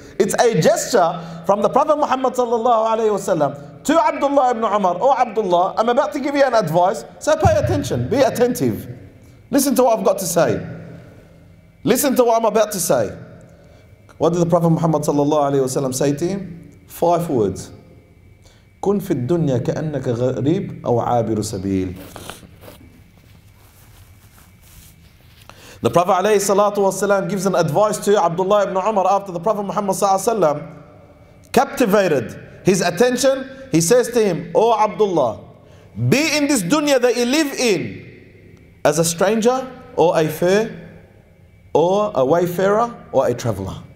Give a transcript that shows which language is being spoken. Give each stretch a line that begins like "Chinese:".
English: It's a gesture from the Prophet Muhammad sallallahu alayhi wasallam to Abdullah ibn Umar. Oh Abdullah, I'm about to give you an advice. So pay attention, be attentive. Listen to what I've got to say. Listen to what I'm about to say. What did the Prophet Muhammad sallallahu alayhi wasallam say to him? 5 words.
Arabic: كن في الدنيا كأنك غريب أو عابر سبيل.
English: The Prophet alayhi salatu wasalam gives an advice to Abdullah ibn Umar after the Prophet Muhammad sallallahu alayhi wasallam captivated his attention. He says to him, O Abdullah, be in this dunya that you live in as a stranger or a fair or a wayfarer or a traveler.